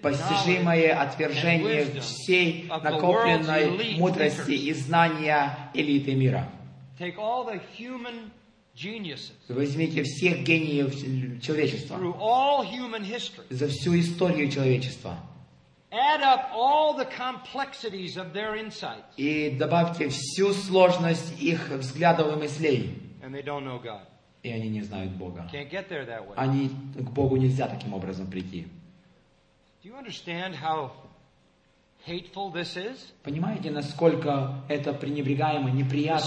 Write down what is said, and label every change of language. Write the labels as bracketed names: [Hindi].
[Russian] постижимое отвержение всей накопленной мудрости и знания элиты мира. [English] Take all the human geniuses. [Russian] Возьмите всех гениев человечества. [English] Through all human history. [Russian] За всю историю человечества. [English] Add up all the complexities of their insights. [Russian] И добавьте всю сложность их взглядов и мыслей. [English] And they don't know God. [Russian] И они не знают Бога. [English] Can't get there that way. [Russian] Они к Богу нельзя таким образом прийти. [English] Do you understand how hateful this is? [Russian] Понимаете, насколько это пренебрегаемо, неприятно?